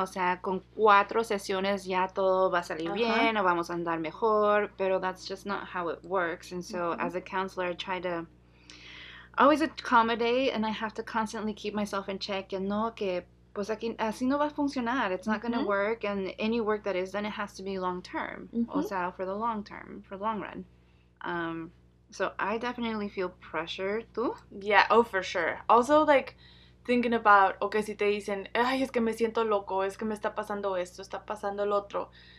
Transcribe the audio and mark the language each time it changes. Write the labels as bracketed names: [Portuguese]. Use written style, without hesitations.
[Spanish] O sea, con cuatro sesiones ya todo va a salir bien o vamos a andar mejor. [English] Pero that's just not how it works. And so as a counselor, I try to always accommodate, and I have to constantly keep myself in check. [Spanish] Y no que pues aquí, así no va a funcionar. [English] It's not going to work. And any work that is done, it has to be long-term. Mm-hmm. [Spanish] O sea, [English] for the long term, for the long run. So I definitely feel pressure, ¿tú? Yeah, oh, for sure. Also, like, thinking about, okay, [Spanish] si te dicen, ay, es que me siento loco, es que me está pasando esto, está pasando el otro.